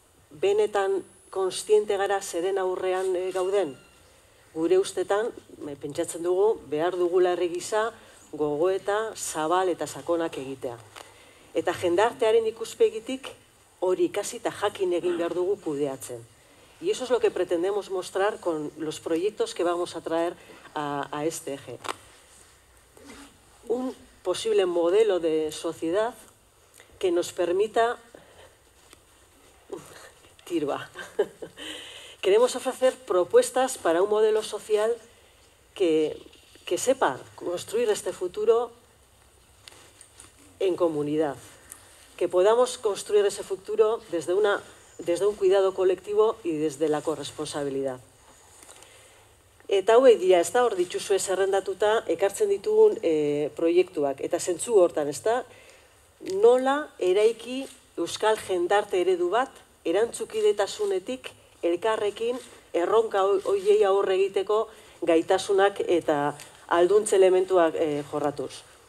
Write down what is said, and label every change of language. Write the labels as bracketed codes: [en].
[eu] Benetan kontziente gara zeren aurrean gauden? Gure ustetan, pentsatzen dugu, behar dugula herri gisa gogoeta, zabal eta sakonak egitea. Eta jendartearen ikuspegitik hori ikasi eta jakin egin behar dugu kudeatzen. [es] Y eso es lo que pretendemos mostrar con los proyectos que vamos a traer a este eje. Un posible modelo de sociedad que nos permita... Tirba. Queremos ofrecer propuestas para un modelo social que sepa construir este futuro en comunidad. Que podamos construir ese futuro desde una... desde un cuidado colectivo y desde la corresponsabilidad. [eu] Eta hauek dira, ez da, hor dituzue zerrendatuta, ekartzen ditugun proiektuak. Eta zentzu hortan, ez da, nola eraiki euskal jendarte eredu bat, erantzukidetasunetik, elkarrekin, erronka horiei aurre egiteko gaitasunak eta alduntze elementuak jorratuz.